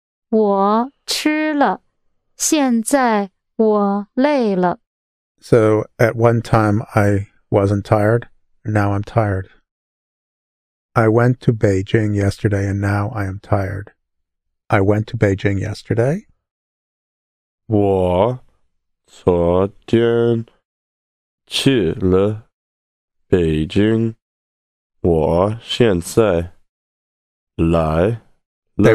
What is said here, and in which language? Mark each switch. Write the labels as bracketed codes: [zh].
[zh] 我吃了,现在我累了。So, [en] at one time I wasn't tired, now I'm tired. I went to Beijing yesterday and now I am tired. I went to Beijing yesterday. [zh] 我昨天去了北京,我现在来了。They